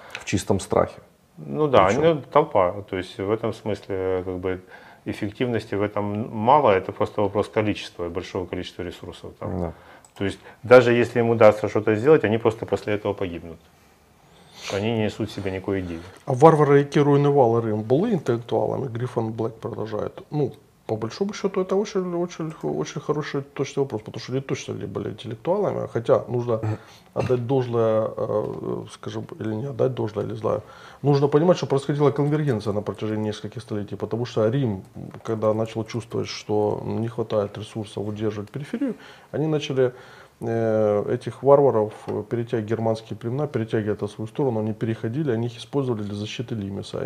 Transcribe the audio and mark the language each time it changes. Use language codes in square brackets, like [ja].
[ru] В чистом страхе. Ну да, они, толпа. То есть в этом смысле как бы эффективности в этом мало, это просто вопрос количества, большого количества ресурсов. Там. Да. То есть даже если им удастся что-то сделать, они просто после этого погибнут. Они не несут в себе никакой идеи. [uk] А варвары, які руйнували Рим, були інтелектуалами? [ru] Гріфон Блек продолжает. Ну, по большому счету, это очень, очень, очень хороший точный вопрос, потому что они точно ли были интеллектуалами, хотя нужно отдать должное, скажем, или не отдать должное, или знаю. Нужно понимать, что происходила конвергенция на протяжении нескольких столетий, потому что Рим, когда начал чувствовать, что не хватает ресурсов удерживать периферию, они начали этих варваров перетягивать, германские племена перетягивали это в свою сторону, они переходили, они их использовали для защиты Лимеса.